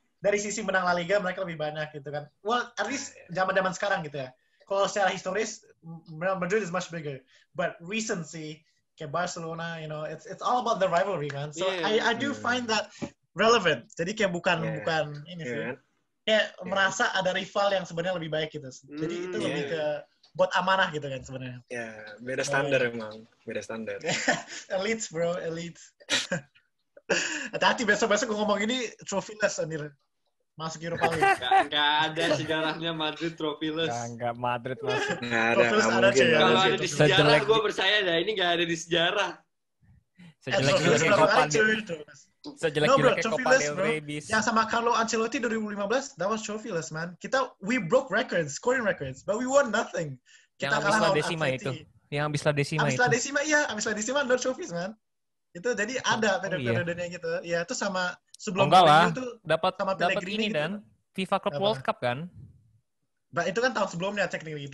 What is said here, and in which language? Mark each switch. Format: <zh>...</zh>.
<id>Dari sisi menang La Liga mereka lebih banyak gitu kan.</id> <en>Well, at least</en> <id>zaman sekarang gitu ya. Kalau secara historis</id> <en>Madrid is much bigger, but recency kayak Barcelona, you know, it's all about the rivalry, man. So I do find that relevant.</en> <id>Jadi kayak bukan ini sih. Kayak merasa ada rival yang sebenarnya lebih baik gitu. Jadi itu lebih ke buat amanah gitu kan sebenarnya. Ya, beda standar emang. Beda standar. Elite, bro, elite. Hati-hati, besok-besok gue ngomong ini trophy-less, Anir. Masuk Europa League. Gak ada sejarahnya Madrid trophyless. Gak Madrid masuk. Gak ada, gak mungkin. Kalau ada di sejarah, gue percaya dah. Ini gak ada di sejarah. Sejelek-jeleknya Copa del Rey. Sejelek-jeleknya Copa del Rey. Yang sama</id> <en>Carlo Ancelotti 2015, that was trophyless, man. Kita, we broke records, scoring records, but we won nothing.</en> <id>Yang abis La Decima itu. Yang abis La Decima itu. Abis La Decima, iya. Abis La Decima,</id> <en>no trophies, man.</en> <id>Itu jadi ada periode-periodenya gitu. Ya, itu sama... Sebelum enggak lah, dapat ini gitu. Dan FIFA Club World Cup kan? But itu kan tahun sebelumnya technically.</id>